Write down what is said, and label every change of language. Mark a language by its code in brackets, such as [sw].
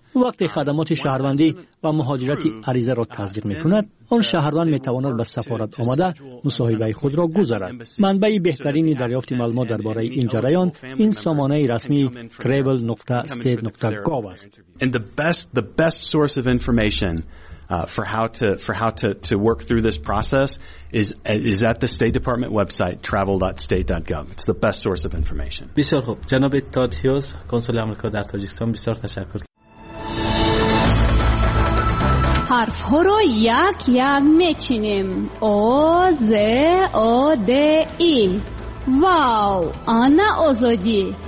[fa] وقتی خدمات شهروندی و مهاجرت عریضه را تصدیق می‌کند، آن شهروند می‌تواند به سفارت آمده مصاحبه خود را گذارد. منبع بهترین دریافت معلومات درباره این جریان این سامانه رسمی travel.state.gov است. [en] The best source of information for how to work through this process is at the State Department website travel.state.gov. It's the best source of information. [fa] بسیار خوب، جناب تاد هیوز، کنسول آمریکا در تاجیکستان، بسیار تشکر. حرف ها رو یک یک میچینیم. او ز او د ای. واو آنا آزادی.